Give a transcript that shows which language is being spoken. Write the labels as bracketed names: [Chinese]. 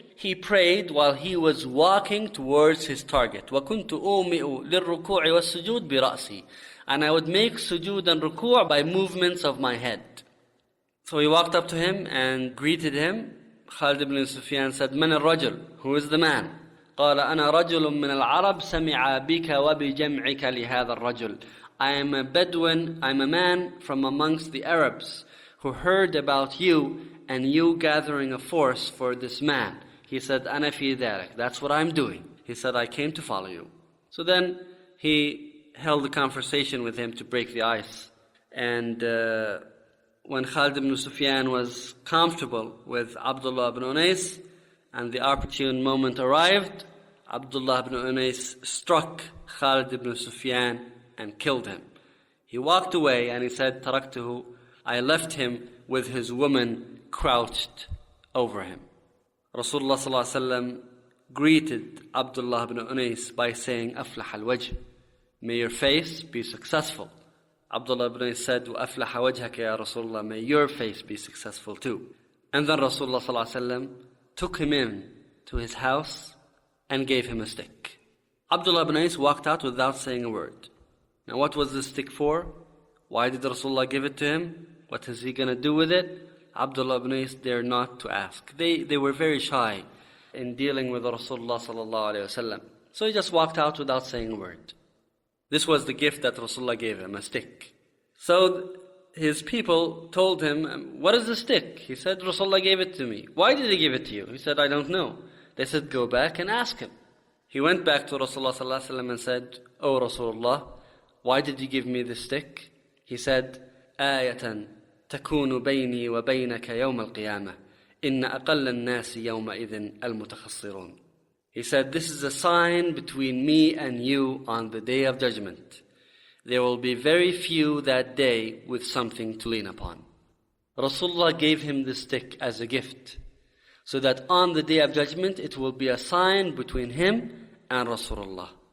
[English] He prayed while he was walking towards his target. [Arabic] وَكُنْتُ أُومِئُ لِلْرُكُوعِ وَالسُّجُودِ بِرَأْسِي. [English] And I would make sujood and ruku' by movements of my head. So he walked up to him and greeted him. Khalid ibn Sufyan said, [Arabic] من الرجل? [English] Who is the man? [Arabic] قال أنا رجل من العرب سمع بك وبجمعك لهذا الرجل. [English] I am a Bedouin, I'm a man from amongst the Arabs who heard about you and you gathering a force for this man. He said, [Arabic] أنا في ذلك. [English] That's what I'm doing. He said, I came to follow you. So then he held a conversation with him to break the ice. And when Khalid ibn Sufyan was comfortable with Abdullah ibn Unais, and the opportune moment arrived, Abdullah ibn Unais struck Khalid ibn Sufyan and killed him. He walked away and he said, Taraktuhu, I left him with his woman crouched over him. Rasulullah sallallahu alayhi wa sallam greeted Abdullah ibn Unais by saying, [Arabic] Aflah al-wajh. [English] May your face be successful. Abdullah ibn Unais said, [Arabic] وَأَفْلَحَ وَجْهَكَ يَا رَسُولَ اللَّهِ. [English] May your face be successful too. And then Rasulullah [Arabic] صلى الله عليه وسلم [English] took him in to his house and gave him a stick. Abdullah ibn Unais walked out without saying a word. Now what was the stick for? Why did Rasulullah give it to him? What is he going to do with it? Abdullah ibn Unais dared not to ask. They were very shy in dealing with Rasulullah [Arabic] صلى الله عليه وسلم. [English] So he just walked out without saying a word. This was the gift that Rasulullah gave him, a stick. So his people told him, what is the stick? He said, Rasulullah gave it to me. Why did he give it to you? He said, I don't know. They said, go back and ask him. He went back to Rasulullah sallallahu alaihi wasallam and said, O Rasulullah, why did you give me this stick? He said, [Arabic] آيَةً تَكُونُ بَيْنِي وَبَيْنَكَ يَوْمَ الْقِيَامَةِ إِنَّ أَقَلَّ النَّاسِ يَوْمَئِذٍ الْمُتَخَصِّرُونَ. [English] He said, this is a sign between me and you on the Day of Judgment. There will be very few that day with something to lean upon. Rasulullah gave him the stick as a gift, so that on the Day of Judgment, it will be a sign between him and Rasulullah.